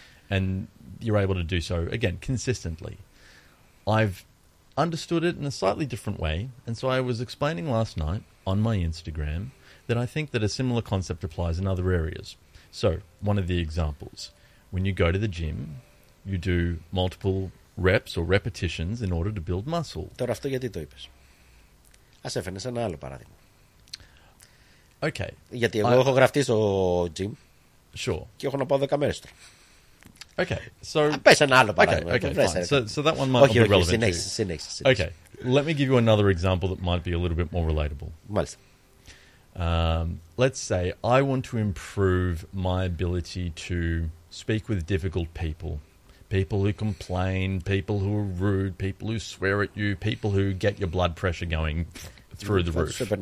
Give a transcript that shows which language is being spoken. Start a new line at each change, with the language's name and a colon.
English: And you're able to do so, again, consistently. I've understood it in a slightly different way. And so I was explaining last night on my Instagram that I think that a similar concept applies in other areas. So one of the examples, when you go to the gym, you do multiple reps or repetitions in order to build muscle.
Greek: Τώρα αυτό γιατί το είπες. Ας έφερνες ένα άλλο παράδειγμα.
English: Okay.
Greek: Γιατί εγώ έχω γραφτεί στο gym.
English: Sure.
Greek: Και έχω να πάω 10 μέρες.
English: Okay. So
Greek: πες ένα άλλο παράδειγμα.
English: So that one might be relevant.
Greek: Συνέχισε.
English: Okay. Let me give you another example that might be a little bit more relatable.
Greek: Μάλιστα.
English: Let's say I want to improve my ability to speak with difficult people. People who complain, people who are rude, people who swear at you, people who get your blood pressure going through the roof.